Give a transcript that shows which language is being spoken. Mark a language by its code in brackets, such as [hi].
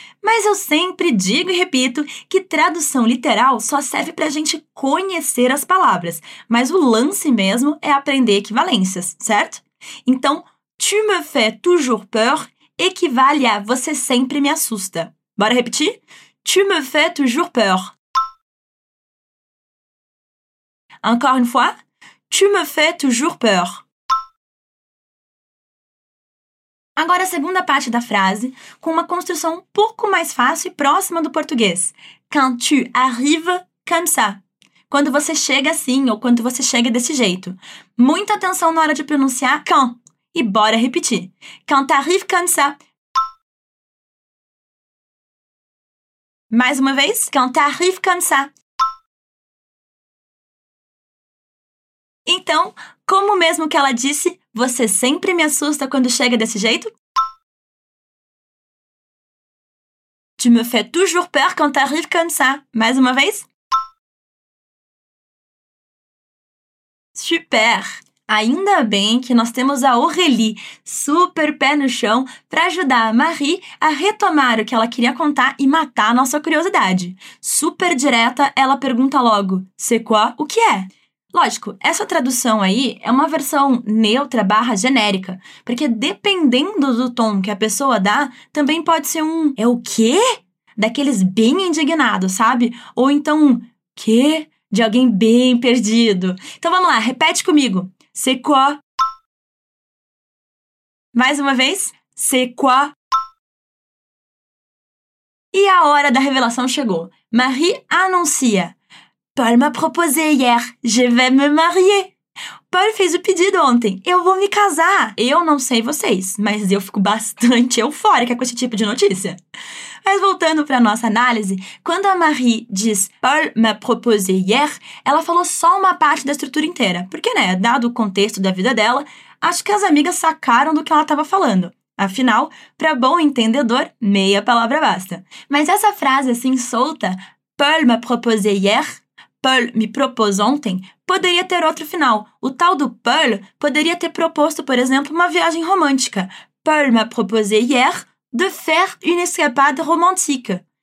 [pt] Mas eu sempre digo e repito que tradução literal só serve para a gente conhecer as palavras, mas o lance mesmo é aprender equivalências, certo? Então, [fr] tu me fais toujours peur [pt] equivale a você sempre me assusta. Bora repetir? [fr] Tu me fais toujours peur. Encore une fois. Tu me fais toujours peur. [pt] Agora a segunda parte da frase, com uma construção um pouco mais fácil e próxima do português. [fr] Quand tu arrives comme ça. [pt] Quando você chega assim ou quando você chega desse jeito. Muita atenção na hora de pronunciar quand. E bora repetir. [fr] Quand tu arrives comme ça. [pt] Mais uma vez. [fr] Quand tu arrives comme ça. [pt] Então, como mesmo que ela disse, você sempre me assusta quando chega desse jeito? [fr] Tu me fais toujours peur quand t'arrives comme ça. [pt] Mais uma vez? Super! Ainda bem que nós temos a Aurélie, super pé no chão, para ajudar a Marie a retomar o que ela queria contar e matar a nossa curiosidade. Super direta, ela pergunta logo, [fr] c'est quoi? [pt] O que é? Lógico, essa tradução aí é uma versão neutra barra genérica, porque dependendo do tom que a pessoa dá, também pode ser um é o quê? Daqueles bem indignados, sabe? Ou então um quê? De alguém bem perdido. Então vamos lá, repete comigo. [fr] C'est quoi? [pt] Mais uma vez. [fr] C'est quoi? [pt] E a hora da revelação chegou. Marie anuncia. [fr] Paul m'a proposé hier, je vais me marier. [pt] Paul fez o pedido ontem, eu vou me casar. Eu não sei vocês, mas eu fico bastante eufórica com esse tipo de notícia. Mas voltando para a nossa análise, quando a Marie diz [fr] Paul m'a proposé hier, [pt] ela falou só uma parte da estrutura inteira. Porque, né, dado o contexto da vida dela, acho que as amigas sacaram do que ela estava falando. Afinal, para bom entendedor, meia palavra basta. Mas essa frase assim solta, [fr] Paul m'a proposé hier, [pt] Paul me propôs ontem, poderia ter outro final. O tal do Paul poderia ter proposto, por exemplo, uma viagem romântica. [fr] Paul m'a proposé hier de faire une escapade romantique.